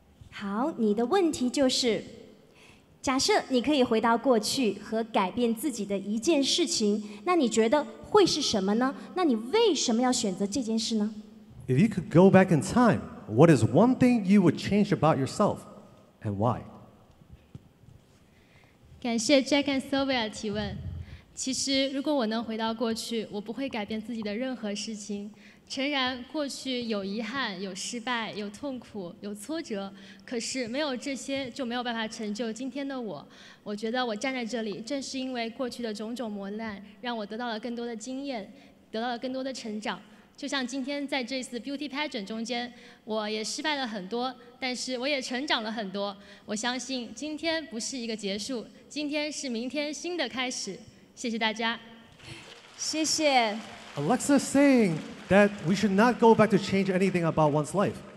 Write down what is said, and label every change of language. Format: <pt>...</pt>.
<zh>好，你的问题就是：假设你可以回到过去和改变自己的一件事情，那你觉得会是什么呢？那你为什么要选择这件事呢</zh> <en>？If you could go back in time. What is one thing you would change about yourself, and why?</en> <zh>感谢 Jack and Sylvia 提问。其实，如果我能回到过去，我不会改变自己的任何事情。诚然，过去有遗憾、有失败、有痛苦、有挫折，可是没有这些，就没有办法成就今天的我。我觉得我站在这里，正是因为过去的种种磨难，让我得到了更多的经验，得到了更多的成长。就像今天在这次 Beauty Pageant 中间，我也失败了很多，但是我也成长了很多。我相信今天不是一个结束，今天是明天新的开始。谢谢大家。谢谢。</zh> <en>Alexa saying that we should not go back to change anything about one's life.</en>